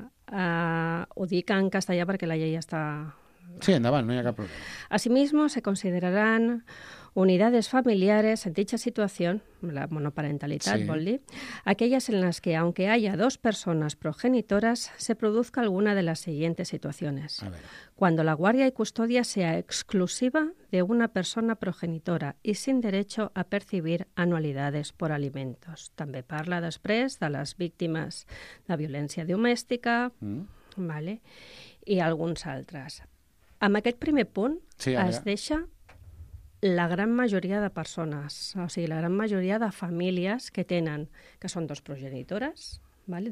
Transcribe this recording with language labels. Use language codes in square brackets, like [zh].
[ca] Ho dic en castellà perquè la llei està... Sí, endavant, no hi ha cap problema. [es] Asimismo, se consideraran unidades familiares en dicha situación, la monoparentalidad, sí. [ca] Vol dir, [es] aquellas en las que, aunque haya dos personas progenitoras, se produzca alguna de las siguientes situaciones. A ver. Cuando la guardia y custodia sea exclusiva de una persona progenitora y sin derecho a percibir anualidades por alimentos. [ca] També parla després de les víctimes de violència domèstica, vale, i alguns altres. Amb aquest primer punt sí, es deixa la gran majoria de persones, o sigui, la gran majoria de famílies que tenen, que són dos progenitores, vale?